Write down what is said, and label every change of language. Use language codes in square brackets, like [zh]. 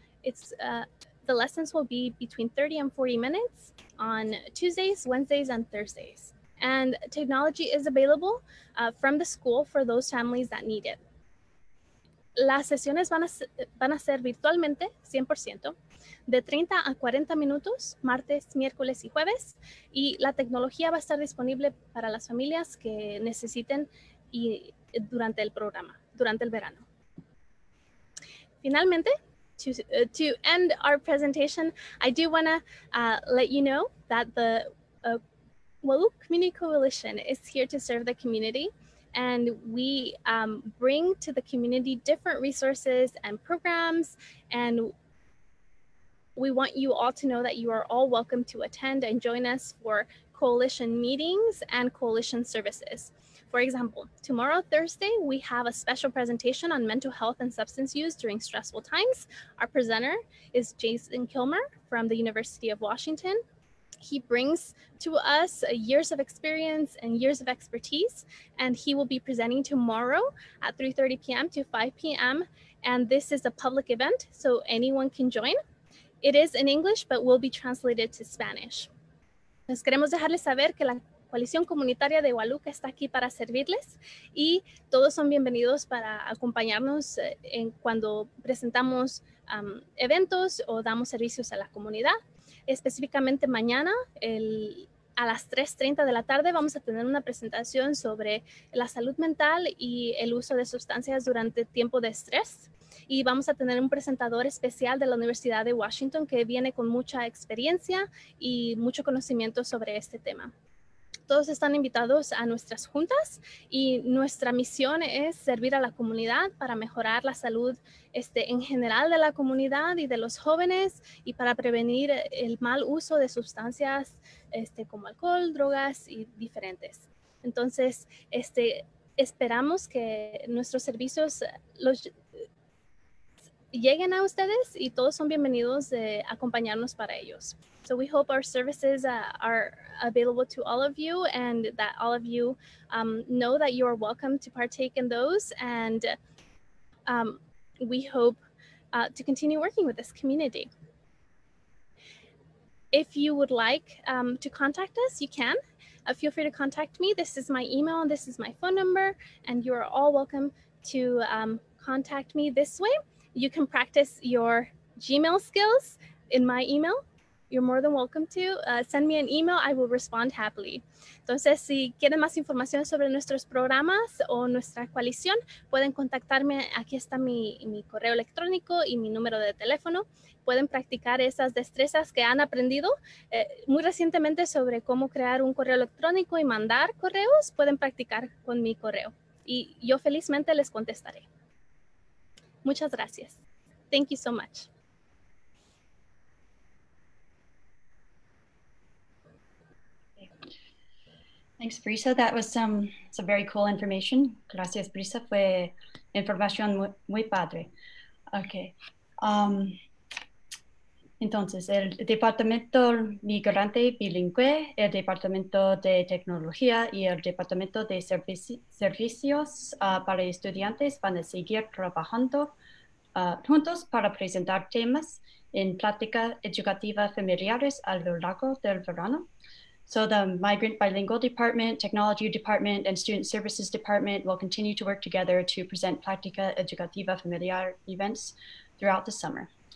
[en] The lessons will be between 30 and 40 minutes on Tuesdays, Wednesdays, and Thursdays. And technology is available from the school for those families that need it. [es] Las sesiones van a ser virtualmente, 100%, de 30 a 40 minutos, martes, miércoles y jueves. Y la tecnología va a estar disponible para las familias que necesiten y durante el programa, durante el verano. [en] Finalmente, to end our presentation, I do want to let you know that the Wahluke Community Coalition is here to serve the community. And we bring to the community different resources and programs. And we want you all to know that you are all welcome to attend and join us for coalition meetings and coalition services. For example, tomorrow, Thursday, we have a special presentation on mental health and substance use during stressful times. Our presenter is Jason Kilmer from the University of Washington. He brings to us years of experience and years of expertise, and he will be presenting tomorrow at 3:30 p.m. to 5 p.m. And this is a public event, so anyone can join. It is in English, but will be translated to Spanish. [es] Nos queremos dejarles saber que la Coalición Comunitaria de Wahluke está aquí para servirles y todos son bienvenidos para acompañarnos en cuando presentamos eventos o damos servicios a la comunidad. Específicamente mañana a las 3:30 de la tarde vamos a tener una presentación sobre la salud mental y el uso de sustancias durante tiempo de estrés. Y vamos a tener un presentador especial de la Universidad de Washington que viene con mucha experiencia y mucho conocimiento sobre este tema. Todos están invitados a nuestras juntas y nuestra misión es servir a la comunidad para mejorar la salud en general de la comunidad y de los jóvenes y para prevenir el mal uso de sustancias como alcohol, drogas y diferentes. Entonces, esperamos que nuestros servicios lleguen a ustedes y todos son bienvenidos de acompañarnos para ellos. [en] So we hope our services are available to all of you and that all of you know that you are welcome to partake in those. And we hope to continue working with this community. If you would like to contact us, you can. Feel free to contact me. This is my email and this is my phone number. And you're all welcome to contact me this way. You can practice your Gmail skills in my email. You're more than welcome to send me an email. I will respond happily. [es] Entonces, si quieren más información sobre nuestros programas o nuestra coalición, pueden contactarme. Aquí está mi correo electrónico y mi número de teléfono. Pueden practicar esas destrezas que han aprendido muy recientemente sobre cómo crear un correo electrónico y mandar correos. Pueden practicar con mi correo y yo felizmente les contestaré. Muchas gracias. [en] Thank you so much. Thanks, Brisa. That was some very cool information. Gracias, Brisa. [es] Fue información muy padre. Okay. Entonces, el Departamento Migrante Bilingüe, el Departamento de Tecnología y el Departamento de Servicios para Estudiantes van a seguir trabajando juntos para presentar temas en Plática Educativa Familiares a lo largo del verano. [en] So the Migrant Bilingual Department, Technology Department, and Student Services Department will continue to work together to present Plática Educativa Familiar events throughout the summer.